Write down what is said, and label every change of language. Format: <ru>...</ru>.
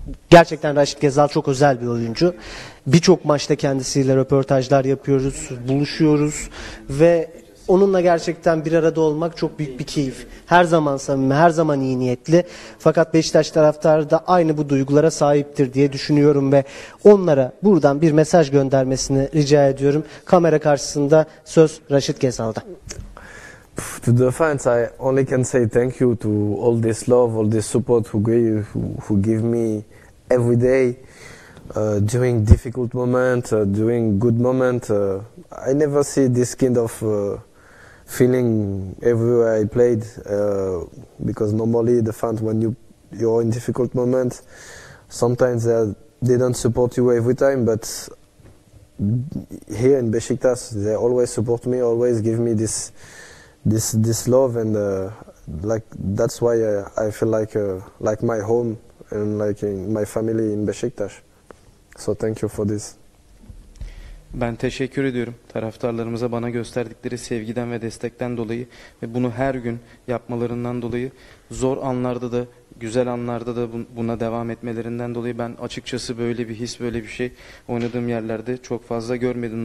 <tr>Gerçekten Raşit Gezal çok özel bir oyuncu. Birçok maçta kendisiyle röportajlar yapıyoruz, buluşuyoruz ve onunla gerçekten bir arada olmak çok büyük bir keyif. Her zaman samimi, her zaman iyi niyetli. Fakat Beşiktaş taraftarı da aynı bu duygulara sahiptir diye düşünüyorum ve onlara buradan bir mesaj göndermesini rica ediyorum. Kamera karşısında söz Raşit Gezal'da.</tr> <en>To the fans, I only can say thank you to all this love, all this support who give me every day during difficult moment, during good moment. I never see this kind of feeling everywhere I played because normally the fans, when you're in difficult moment, sometimes they don't support you every time, but here in Beşiktaş they always support me, always give me this love, and like that's why I feel like my home and like in my family in Beşiktaş. So thank you for this.</en> <tr>Ben teşekkür ediyorum taraftarlarımıza bana gösterdikleri sevgiden ve destekten dolayı ve bunu her gün yapmalarından dolayı, zor anlarda da güzel anlarda da buna devam etmelerinden dolayı. Ben açıkçası böyle bir his, böyle bir şey oynadığım yerlerde çok fazla görmedim.</tr>